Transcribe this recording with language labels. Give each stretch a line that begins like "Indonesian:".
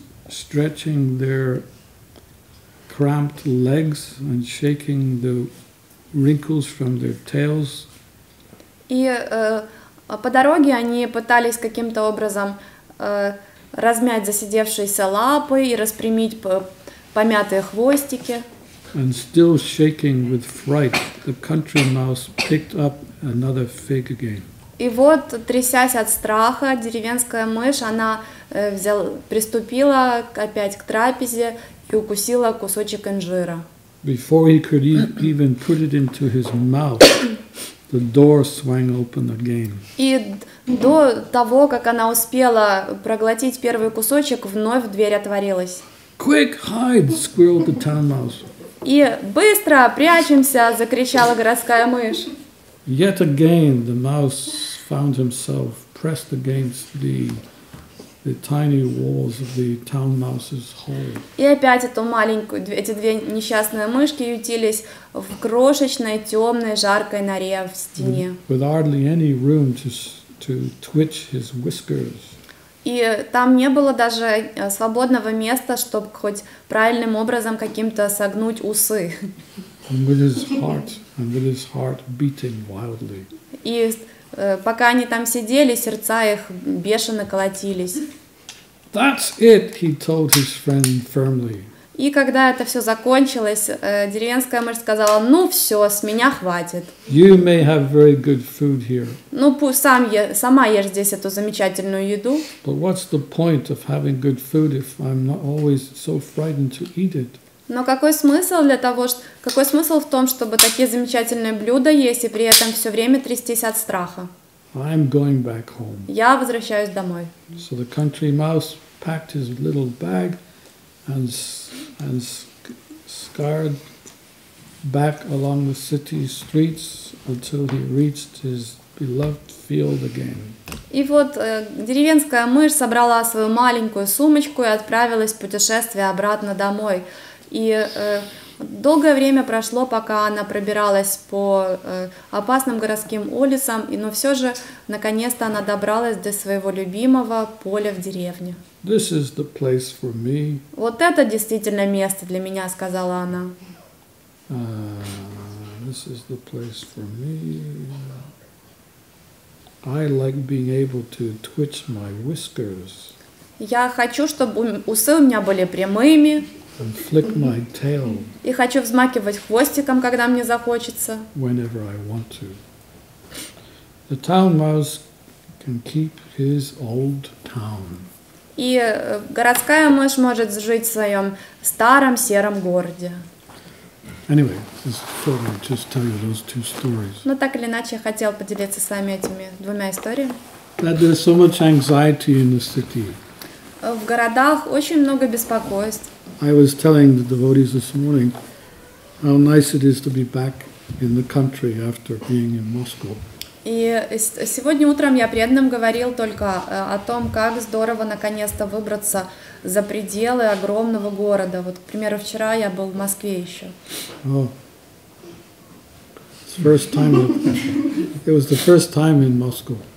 English: Stretching their cramped legs and shaking the wrinkles from their tails.
Russian: И по дороге они пытались каким-то образом размять засидевшиеся лапы и распрямить помятые хвостики.
English: And still shaking with fright, the country mouse picked up another fig again.
Russian: И вот, трясясь от страха, деревенская мышь, она приступила опять к трапезе и укусила кусочек инжира.
English: Before he could even put it into his mouth, the door swung open again.
Russian: И до того, как она успела проглотить первый кусочек, вновь дверь отворилась.
English: Quick, hide, squealed the town mouse.
Russian: И быстро прячемся, закричала городская мышь.
English: Yet again, the mouse found himself pressed against the tiny walls of the town mouse's hole.
Russian: И опять эти две несчастные мышки ютились в крошечной темной жаркой норе в стене.
English: With hardly any room to twitch his whiskers.
Russian: И там не было даже свободного места, чтобы хоть правильным образом каким-то согнуть усы.
English: And with his heart beating wildly.
Russian: И пока они там сидели, сердца их бешено колотились.
English: That's it, he told his friend firmly.
Russian: И когда это все закончилось, деревенская мышь сказала: "Ну все, с меня хватит".
English: You may have very good food here.
Russian: Ну пусть сама ешь здесь эту замечательную еду.
English: But what's the point of having good food if I'm not always so frightened to eat it?
Russian: Но какой смысл в том, чтобы такие замечательные блюда есть и при этом все время трястись от страха?
English: I'm going back home.
Russian: Я возвращаюсь домой.
English: So the country mouse packed his little bag and scurried back along the city streets until he reached his beloved field again.
Russian: И вот деревенская мышь собрала свою маленькую сумочку и отправилась в путешествие обратно домой. И долгое время прошло, пока она пробиралась по опасным городским улицам, но все же наконец-то она добралась до своего любимого поля в деревне.
English: This is the place for me.
Russian: Вот это действительно место для меня, сказала она.
English: This is the place for me. I like being able to twitch my whiskers.
Russian: Я хочу, чтобы усы у меня были прямыми.
English: And flick my tail.
Russian: И хочу взмахивать хвостиком, когда мне захочется.
English: Whenever I want to. The town mouse can keep his old town.
Russian: И городская мышь может жить в своем старом сером городе.
English: Anyway, just tell you those two stories.
Russian: Но так или иначе, я хотел поделиться с вами этими двумя историями.
English: That there's so much anxiety in the city.
Russian: В городах очень много беспокойств.
English: I was telling the devotees this morning how nice it is to be back in the country after being in Moscow.
Russian: И сегодня утром я преданным говорил только о том, как здорово наконец-то выбраться за пределы огромного города. Вот, к примеру, вчера я был в Москве еще.
English: It was the first time in Moscow.